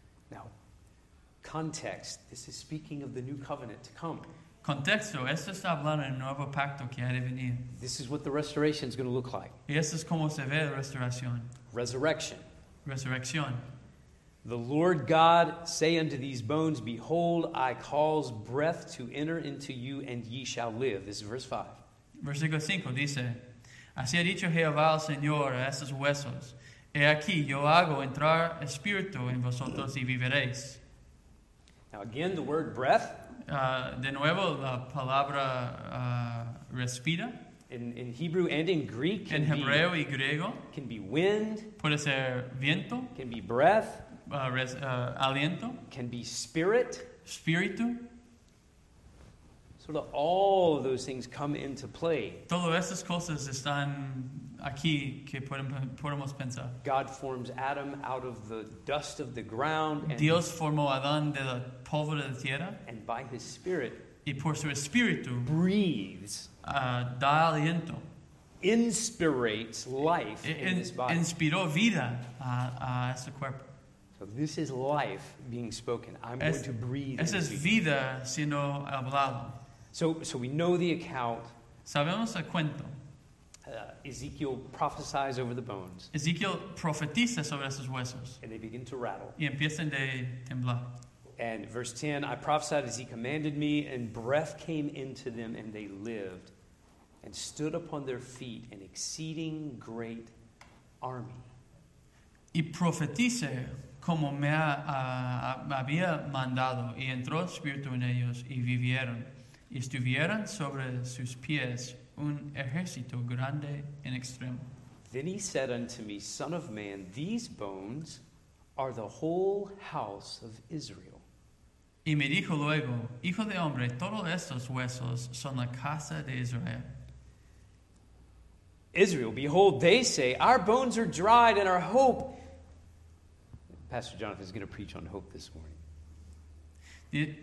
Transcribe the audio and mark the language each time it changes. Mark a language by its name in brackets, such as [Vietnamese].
[English] Now, context, this is speaking of the new covenant to come. [Spanish] Contexto, esto está hablando del nuevo pacto que ha de venir. [English] This is what the restoration is going to look like. [Spanish] Y esto es como se ve la restauración. [English] Resurrection. Resurrection. The Lord God say unto these bones, behold, I cause breath to enter into you, and ye shall live. This is verse 5. [Spanish] Versículo 5 dice, así ha dicho Jehová al Señor a estos huesos, he aquí yo hago entrar espíritu en vosotros y viviréis. [English] Now again, the word breath. [Spanish] De nuevo, la palabra respira. [English] In Hebrew and in Greek, [Spanish] en Hebreo y griego, [English] can be wind, [Spanish] puede ser viento, [English] can be breath, [Spanish] aliento, [English] can be spirit, [Spanish] espíritu. [English] Sort of all of those things come into play. [Spanish] Todas estas cosas están aquí que podemos pensar. [English] God forms Adam out of the dust of the ground. And [Spanish] Dios formó a Adán de la polvo de la tierra. [English] And by His Spirit, [Spanish] y por su espíritu, [English] breathes. [Spanish] Da aliento. [English] Inspirates life in this body. [Spanish] Inspiró vida a este cuerpo. [English] So this is life being spoken. I'm going to breathe. [Spanish] Esa es vida siendo hablado. [English] So we know the account. [Spanish] Sabemos el cuento. [English] Ezekiel prophesies over the bones. [Spanish] Ezekiel profetiza sobre esos huesos. [English] And they begin to rattle. [Spanish] Y empiezan de temblar. [English] And verse 10, I prophesied as he commanded me, and breath came into them, and they lived, and stood upon their feet an exceeding great army. [Spanish] Y profetice, como me había mandado, y entró espíritu en ellos y vivieron, y estuvieron sobre sus pies un ejército grande en extremo. [English] Then he said unto me, Son of man, these bones are the whole house of Israel. [Spanish] Y me dijo luego, Hijo de hombre, todos estos huesos son la casa de Israel. [English] Israel, behold, they say, Our bones are dried and our hope... Pastor Jonathan is going to preach on hope this morning.